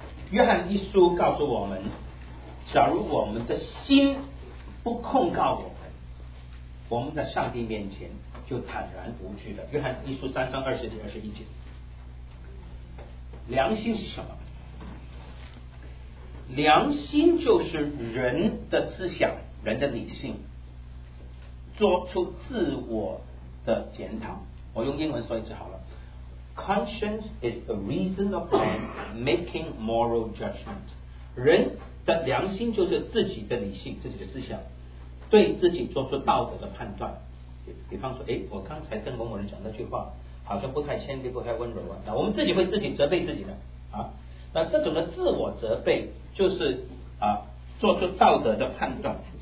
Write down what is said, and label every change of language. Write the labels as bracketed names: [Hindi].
[Chinese] 约翰一书告诉我们，假如我们的心不控告我们在上帝面前就坦然无惧的。约翰一书三章二十节二十一节，良心是什么？良心就是人的思想，人的理性，做出自我的检讨。我用英文说一次好了， [English] Conscience is the reason of man making moral judgment。 [Chinese] 人的良心就是自己的理性，自己的思想，对自己做出道德的判断。比方说，哎，我刚才跟某某人讲那句话好像不太谦卑，不太温柔啊。那我们自己会自己责备自己的啊。那这种的自我责备就是啊，做出道德的判断。